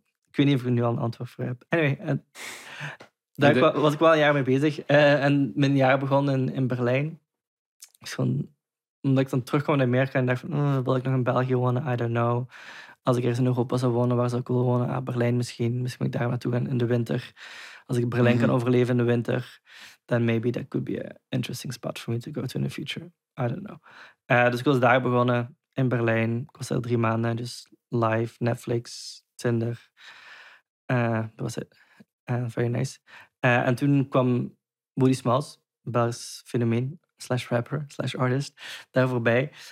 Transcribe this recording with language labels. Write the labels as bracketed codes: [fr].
[nl] Ik weet niet of ik nu al een antwoord voor heb. Anyway. Daar was ik wel een jaar mee bezig. En mijn jaar begon in Berlijn. Dus gewoon, omdat ik dan terugkwam in Amerika en dacht van wil ik nog in België wonen? [en] I don't know. [nl] Als ik ergens in Europa zou wonen, waar zou ik willen wonen? Berlijn misschien. Misschien moet ik daar naartoe gaan in de winter. Als ik Berlijn kan overleven in de winter, [en] then maybe that could be an interesting spot for me to go to in the future. I don't know. [nl] Dus ik was daar begonnen, in Berlijn. Ik was daar 3 maanden. Dus live, Netflix, Tinder. Dat was het. [en] Very nice. [nl] En toen kwam Woody Smalls, Belgisch fenomeen, / rapper, / artist, daar voorbij.